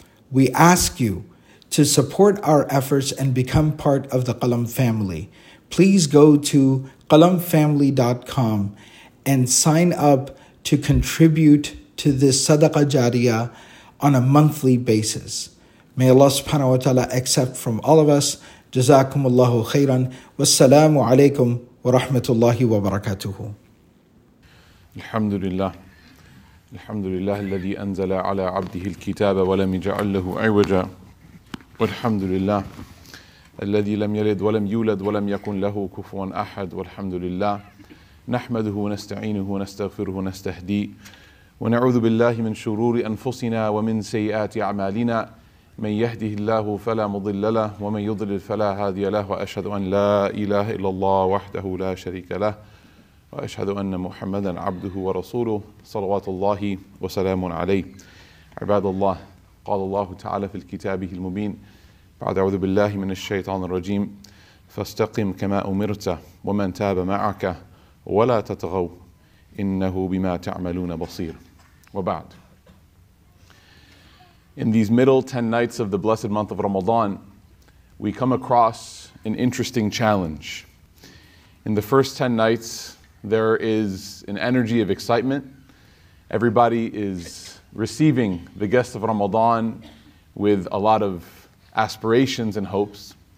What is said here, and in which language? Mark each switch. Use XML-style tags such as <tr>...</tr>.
<en>We ask you to support our efforts and become part of the Qalam family. Please go to qalamfamily.com and sign up to contribute to this Sadaqah Jariyah on a monthly basis. May Allah subhanahu wa ta'ala accept from all of us.</en> <ar>جزاكم الله خيرا والسلام عليكم ورحمة الله وبركاته. الحمد لله الحمد لله الذي أنزل على عبده الكتاب ولم يجعل له عوجا والحمد لله الذي لم يلد ولم يولد ولم يكن له كفوا أحد والحمد لله نحمده ونستعينه ونستغفره ونستهديه ونعوذ بالله من شرور أنفسنا ومن سيئات أعمالنا من يهده الله فلا مضل له ومن يضلل فلا هادي له وأشهد أن لا إله إلا الله وحده لا شريك له وأشهد أن محمدا عبده ورسوله صلوات الله وسلام عليه عباد الله قال الله تعالى في كتابه المبين بعد أعوذ بالله من الشيطان الرجيم فاستقم كما أمرت ومن تاب معك ولا تطغوا إنه بما تعملون بصير وبعد.</ar> <en>In these middle 10 nights of the blessed month of Ramadan, we come across an interesting challenge. In the first 10 nights, there is an energy of excitement. Everybody is receiving the guest of Ramadan with a lot of aspirations and hopes.</en>